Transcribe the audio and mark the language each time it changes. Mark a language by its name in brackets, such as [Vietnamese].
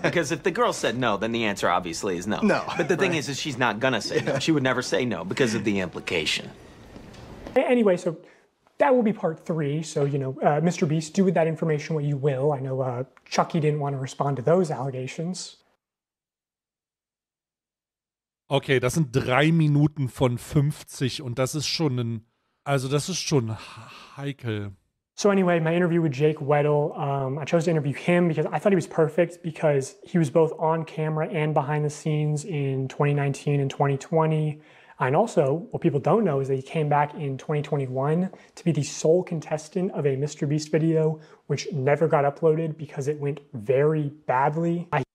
[English] Because if the girl said no, then the answer obviously is no. No. But the thing right. is she's not gonna say no. She would never say no because of the implication. Anyway, so... That will be part three, so, you know, MrBeast, do with that information what you will. I know Chucky didn't want to respond to those allegations. [German] Okay, das sind 3 Minuten von 50 und das ist schon ein, also das ist schon heikel. [English] So anyway, my interview with Jake Weddle, I chose to interview him because I thought he was perfect because he was both on camera and behind the scenes in 2019 and 2020. And also, what people don't know is that he came back in 2021 to be the sole contestant of a MrBeast video, which never got uploaded because it went very badly.